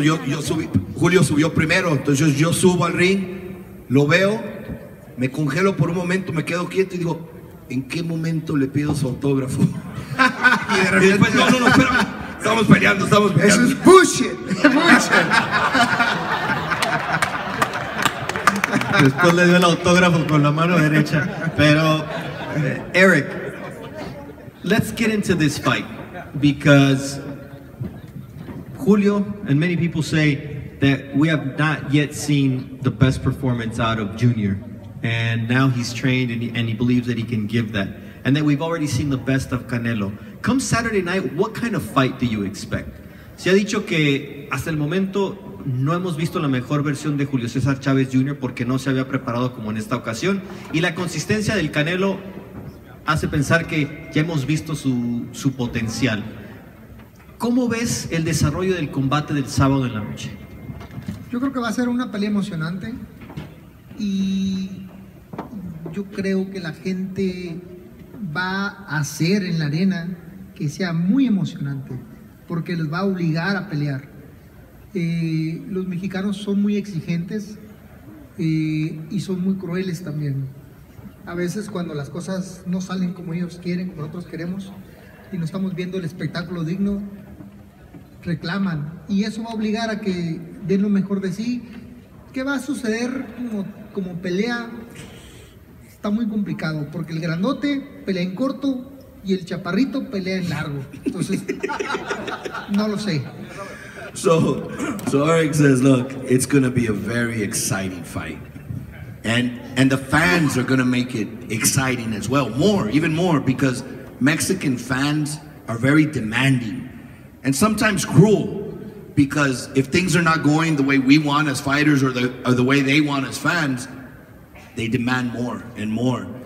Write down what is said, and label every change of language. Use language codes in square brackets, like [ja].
[es] Yo subí, Julio subió primero. Entonces yo subo al ring, lo veo, me congelo por un momento, me quedo quieto y digo, ¿en qué momento le pido su autógrafo? Y de repente, y después, no, espera, estamos peleando. Eso es bullshit. Después le dio el autógrafo con la mano derecha. Pero, [en] Eric, let's get into this fight. Because Julio and many people say that we have not yet seen the best performance out of Junior. And now he's trained and he believes that he can give that. And that we've already seen the best of Canelo. Come Saturday night, what kind of fight do you expect? [es] Se ha dicho que hasta el momento no hemos visto la mejor versión de Julio César Chávez Jr. porque no se había preparado como en esta ocasión. Y la consistencia del Canelo hace pensar que ya hemos visto su potencial. ¿Cómo ves el desarrollo del combate del sábado en la noche? Yo creo que va a ser una pelea emocionante. Y yo creo que la gente va a hacer en la arena que sea muy emocionante, porque les va a obligar a pelear. Los mexicanos son muy exigentes y son muy crueles también. A veces cuando las cosas no salen como ellos quieren, como nosotros queremos, y no estamos viendo el espectáculo digno, reclaman. Y eso va a obligar a que den lo mejor de sí. ¿Qué va a suceder como pelea? Está muy complicado, porque el grandote pelea en corto y el chaparrito pelea en largo. Entonces, no lo sé. [en] So Eric says, look, it's going to be a very exciting fight. And the fans are going to make it exciting as well. More, even more, because Mexican fans are very demanding and sometimes cruel, because if things are not going the way we want as fighters or the way they want as fans, they demand more and more.